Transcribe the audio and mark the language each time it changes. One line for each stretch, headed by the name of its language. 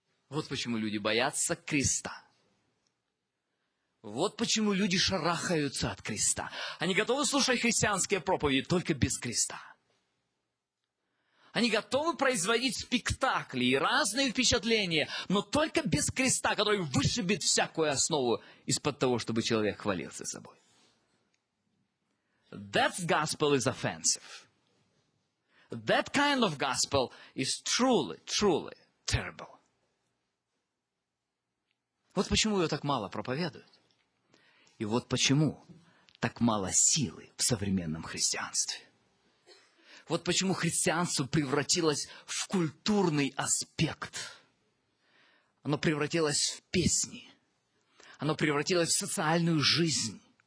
Russian: Вот почему люди боятся креста. Вот почему люди шарахаются от креста. Они готовы слушать христианские проповеди только без креста. Они готовы производить спектакли и разные впечатления, но только без креста, который вышибет всякую основу из-под того, чтобы человек хвалился собой.
English: That gospel is offensive. That kind of gospel is truly, truly terrible.
Russian: Вот почему ее так мало проповедуют. И вот почему так мало силы в современном христианстве. Вот почему христианство превратилось в культурный аспект. Оно превратилось в песни. Оно превратилось в социальную жизнь.